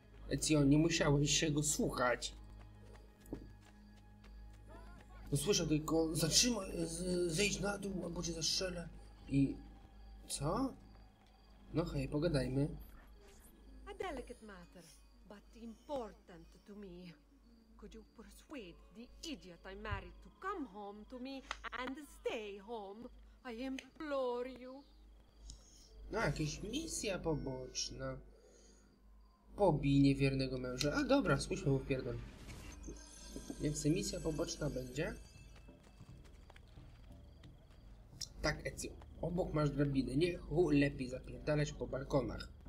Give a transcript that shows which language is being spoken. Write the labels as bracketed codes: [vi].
[pl] Ezio, nie musiałeś się go słuchać. Usłyszę tylko, zatrzymaj, zejdź na dół, albo cię zastrzelę. I... co? No hej, pogadajmy. [en] A delicate matter, but important to me. Could you persuade the idiot I married to come home to me and stay home? I implore you. [pl] No, jakaś misja poboczna. Pobij niewiernego męża. A dobra, spójrzmy mu w pierdol. Więc misja poboczna będzie. Tak, Ezio, obok masz drabiny. Niech hu lepiej zapierdalać po balkonach.